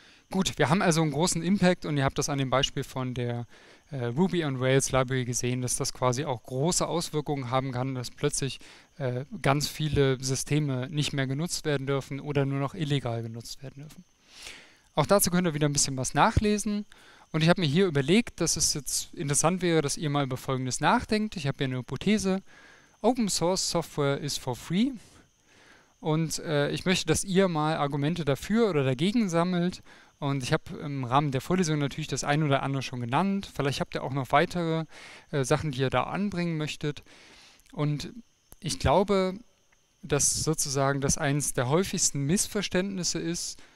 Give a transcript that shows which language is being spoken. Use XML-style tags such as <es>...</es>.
<de>Gut, wir haben also einen großen Impact und ihr habt das an dem Beispiel von der Ruby on Rails Library gesehen, dass das quasi auch große Auswirkungen haben kann, dass plötzlich ganz viele Systeme nicht mehr genutzt werden dürfen oder nur noch illegal genutzt werden dürfen. Auch dazu könnt ihr wieder ein bisschen was nachlesen. Und ich habe mir hier überlegt, dass es jetzt interessant wäre, dass ihr mal über Folgendes nachdenkt. Ich habe hier eine Hypothese.</de> <en>Open Source Software is for free.</en> <de>Und ich möchte, dass ihr mal Argumente dafür oder dagegen sammelt. Und ich habe im Rahmen der Vorlesung natürlich das ein oder andere schon genannt. Vielleicht habt ihr auch noch weitere Sachen, die ihr da anbringen möchtet. Und ich glaube, dass sozusagen das eines der häufigsten Missverständnisse ist.</de>